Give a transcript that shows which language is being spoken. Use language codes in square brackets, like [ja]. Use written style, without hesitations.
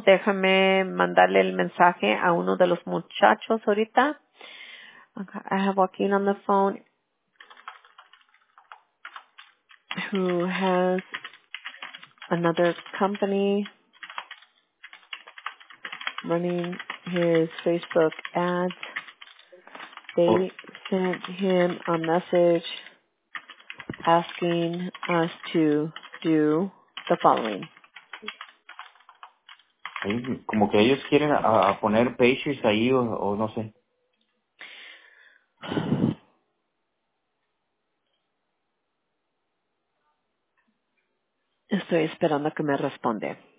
[es] Déjame mandarle el mensaje a uno de los muchachos ahorita. [en] Okay, I have Joaquin on the phone who has another company running his Facebook ads. They sent him a message asking us to do the following. [es] Como que ellos quieren a poner pages ahí o no sé. Estoy esperando que me responda.